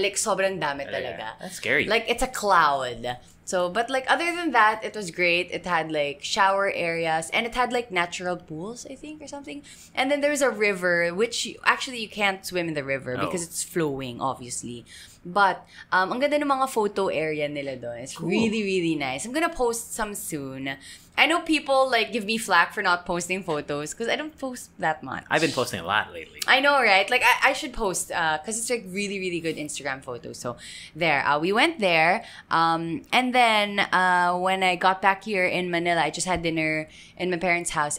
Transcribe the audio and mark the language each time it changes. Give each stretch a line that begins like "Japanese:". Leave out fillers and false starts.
Filipino: Like, sobrang dami talaga.
English: That's scary. Like, it's a cloud. So, but, like, other than that, it was great. It had, like, shower areas. And it had, like, natural pools, I think, or something. And then there was a river, which, actually, you can't swim in the river because it's flowing, obviously.
Filipino: But, ang ganda ng mga photo area nila doon.
English: It's really, really nice. I'm gonna post some soon. I know people, like, give me flack for not posting photos because I don't post that much. I've been posting a lot lately. I know, right? Like, I should post because it's, like, really, really good Instagram photos. So, there. We went there. And then, when I got back here in Manila, I just had dinner in my parents' house.